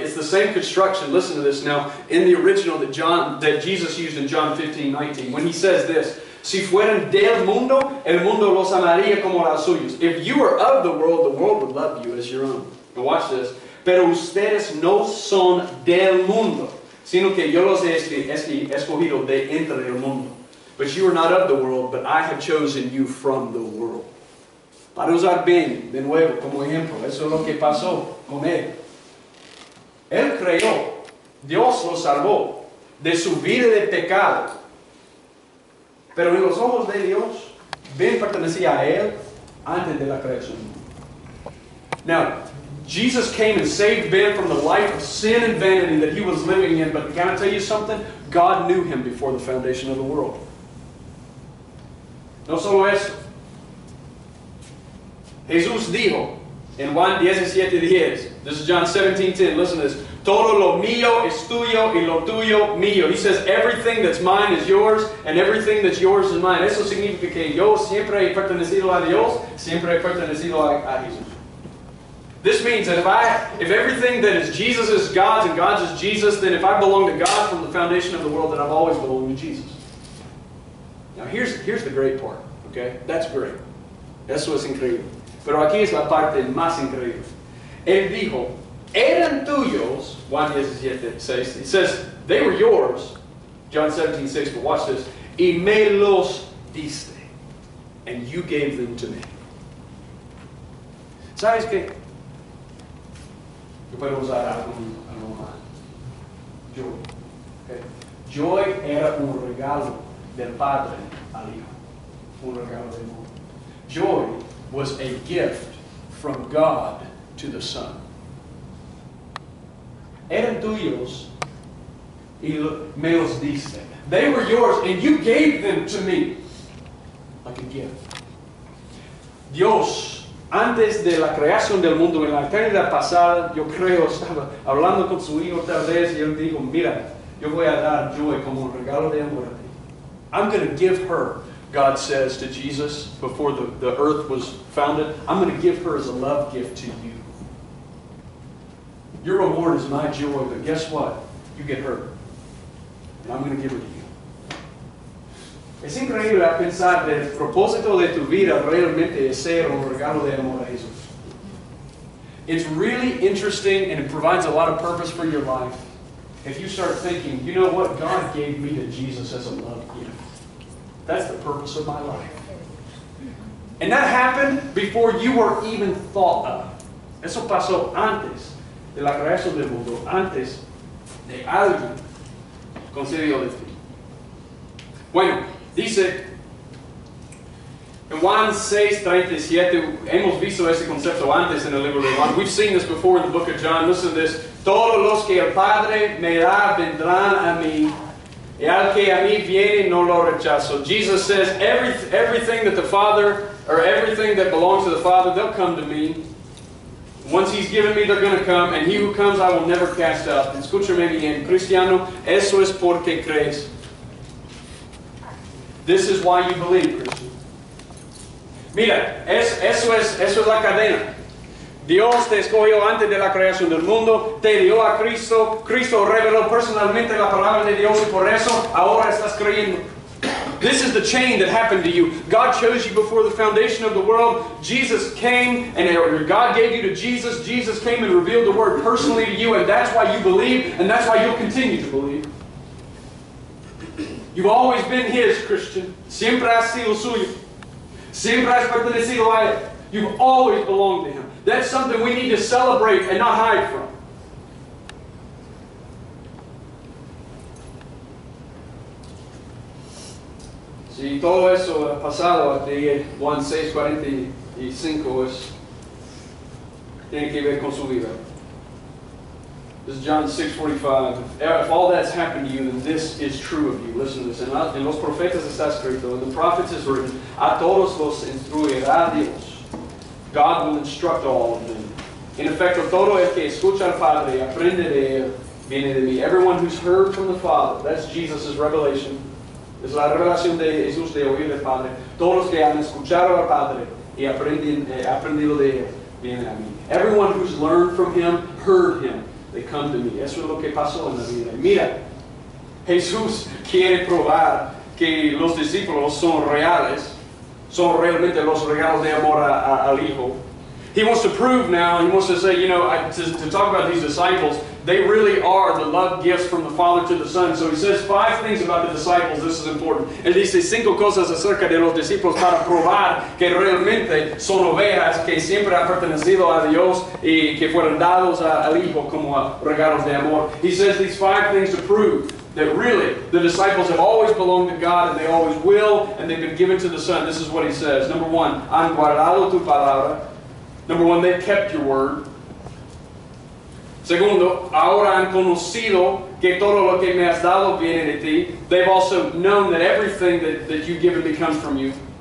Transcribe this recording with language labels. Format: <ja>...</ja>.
<en>It's the same construction, listen to this now, in the original that Jesus used in John 15, 19. When He says this,</en> <es>si fueran del mundo, el mundo los amaría como los suyos.</es> <en>If you were of the world would love you as your own. Now watch this.</en> <es>Pero ustedes no son del mundo, sino que yo los he escogido de entre el mundo.</es> <en>But you are not of the world, but I have chosen you from the world.</en> <es>Para usar bien, de nuevo, como ejemplo, eso es lo que pasó con él. Él creyó, Dios lo salvó de su vida de pecado. Pero en los ojos de Dios, bien pertenecía a él antes de la creación.</es> <en>Now, Jesus came and saved Ben from the life of sin and vanity that he was living in. But can I tell you something? God knew him before the foundation of the world.</en> <es>No solo eso. Jesús dijo en Juan 17, 10.</es> <en>This is John 17, 10. Listen to this.</en> <es>Todo lo mío es tuyo y lo tuyo mío.</es> <en>He says, everything that's mine is yours and everything that's yours is mine.</en> <es>Eso significa que yo siempre he pertenecido a Dios, siempre he pertenecido a Jesús.</es> <en>This means that if everything that is Jesus is God's and God's is Jesus, then if I belong to God from the foundation of the world, then I've always belonged to Jesus. Now here's the great part, okay? That's great.</en> <es>Eso es increíble. Pero aquí es la parte más increíble. Él dijo, eran tuyos, Juan 17, 6.</es> <en>He says, they were yours, John 17, 6, but watch this.</en> <es>Y me los diste,</es> <en>and you gave them to me.</en> <es>¿Sabes qué? Yo puedo usar algo más. Joy. Okay. Joy era un regalo del padre al hijo. Un regalo de amor.</es> <en>Joy was a gift from God to the Son.</en> <es>Eran tuyos y me los diste.</es> <en>They were yours and you gave them to me. Like a gift.</en> <es>Dios, antes de la creación del mundo, en la eternidad pasada, yo creo, estaba hablando con su hijo tal vez, y él dijo, mira, yo voy a dar Joy como un regalo de amor a ti.</es> <en>I'm going to give her, God says to Jesus, before the earth was founded, I'm going to give her as a love gift to you. Your reward is my joy, but guess what? You get her. And I'm going to give her to you.</en> <es>Es increíble a pensar que el propósito de tu vida realmente es ser un regalo de amor a Jesús.</es> <en>It's really interesting and it provides a lot of purpose for your life. If you start thinking, you know what? God gave me to Jesus as a love gift. That's the purpose of my life. And that happened before you were even thought of.</en> <es>Eso pasó antes de la creación del mundo, antes de alguien concedió de ti. Bueno, dice, In Juan 6:37, hemos visto este concepto antes en el libro de Juan.</es> <en>We've seen this before in the book of John. Listen to this.</en> <es>Todos los que el Padre me da vendrán a mí, y al que a mí viene no lo rechazo.</es> <en>Jesus says, everything that the Father, or everything that belongs to the Father, they'll come to me. Once he's given me, they're going to come, and he who comes, I will never cast out.</en> <es>Escúchame bien, cristiano, eso es porque crees.</es> <en>This is why you believe, Christian.</en> <es>Mira, eso es la cadena. Dios te escogió antes de la creación del mundo, te dio a Cristo, Cristo reveló personalmente la palabra de Dios, y por eso ahora estás creyendo.</es> <en>This is the chain that happened to you. God chose you before the foundation of the world. Jesus came, and God gave you to Jesus. Jesus came and revealed the Word personally to you, and that's why you believe, and that's why you'll continue to believe. You've always been His, Christian.</en> <es>Siempre has sido suyo. Siempre has pertenecido a Él.</es> <en>You've always belonged to Him. That's something we need to celebrate and not hide from.</en> <es>Si todo eso ha pasado, de Juan 6:45 es, tiene que ver con su vida.</es> <en>This is John 6:45. If all that's happened to you, then this is true of you. Listen to this.</en> <es>En los profetas está escrito,</es> <en>in the prophets is written,</en> <es>a todos los instruirá Dios.</es> <en>God will instruct all of them.</en> <es>En efecto, todo el que escucha al Padre y aprende de él viene de mí.</es> <en>Everyone who's heard from the Father, that's Jesus' revelation.</en> <es>Es la revelación de Jesús de oír al Padre. Todos los que han escuchado al Padre y aprendido de él, vienen a mí.</es> <en>Everyone who's learned from him, heard him, they come to me.</en> <es>Eso es lo que pasó en la vida. Mira, Jesús quiere probar que los discípulos son reales, son realmente los regalos de amor al Hijo.</es> <en>He wants to prove now, he wants to say, you know, to talk about these disciples, they really are the love gifts from the Father to the Son. So he says five things about the disciples. This is important.</en> <es>Él dice cinco cosas acerca de los discípulos para probar que realmente son ovejas que siempre han pertenecido a Dios y que fueron dados al Hijo como regalos de amor.</es> <en>He says these five things to prove that really the disciples have always belonged to God and they always will, and they've been given to the Son. This is what he says. Number one,</en> <es>han guardado tu palabra.</es> <en>Number one, they've kept your word.</en> <es>Segundo, ahora han conocido que todo lo que me has dado viene de ti.</es> <en>They've also known that everything that you've given me comes from you.</en>